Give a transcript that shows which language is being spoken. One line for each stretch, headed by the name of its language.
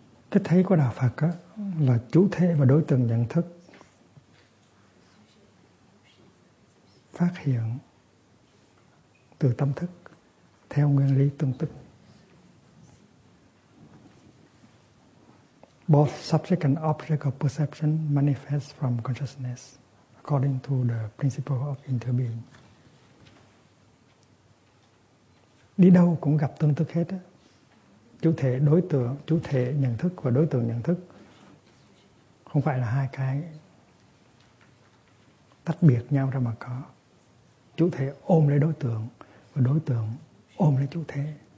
Vietnamese: Cái thấy của đạo Phật á, là chủ thể và đối tượng nhận thức phát hiện từ tâm thức theo nguyên lý tương tức.
English: Both subject and object of perception manifest from consciousness according to the principle of interbeing.
Vietnamese: Đi đâu cũng gặp tương tức hết á. Chủ thể đối tượng, chủ thể nhận thức và đối tượng nhận thức không phải là hai cái tách biệt nhau ra mà có. Chủ thể ôm lấy đối tượng và đối tượng ôm lấy chủ thể.